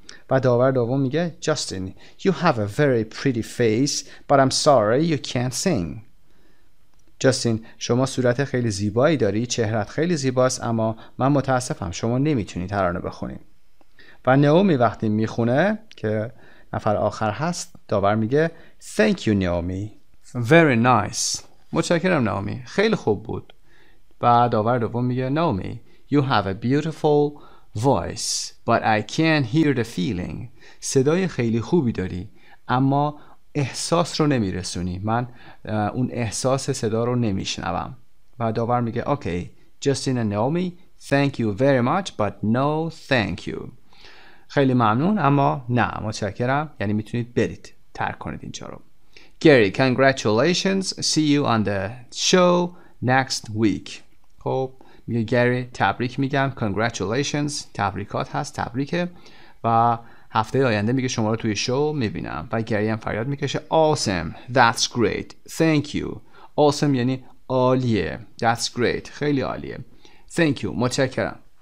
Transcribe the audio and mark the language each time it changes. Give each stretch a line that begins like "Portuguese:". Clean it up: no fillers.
Persian: و داور دوم میگه
English: Justin, you have a very pretty face, but I'm sorry you can't sing.
Persian: جاستین شما صورت خیلی زیبایی داری, چهرت خیلی زیباست, اما من متاسفم شما نمیتونی ترانه بخونی. و نائومی وقتی میخونه که نفر آخر هست, داور میگه
English: Thank you Naomi. Very nice.
Persian: متشکرم نائومی, خیلی خوب بود. و داور دوم میگه
English: Naomi, you have a beautiful voice, but I can't hear the feeling.
Persian: صدای خیلی خوبی داری اما احساس رو نمیرسونی. من اون احساس صدا رو نمیشنوم. و داور میگه اوکی,
English: Justin و Naomi, thank you very much, but no thank you.
Persian: خیلی ممنون اما نه, متشکرم. یعنی میتونید برید, ترک کنید اینجا رو.
English: Gary, congratulations, see you on the show next week.
Persian: خب میگه گری, تبریک میگم, congratulations, تبریکات هست, تبریکه. و هفته آینده میگه شما رو توی شو میبینم. و گری هم فریاد میکشه
English: Awesome, that's great, thank you.
Persian: Awesome یعنی عالیه,
English: that's great,
Persian: خیلی عالیه,
English: thank you,
Persian: متشکرم.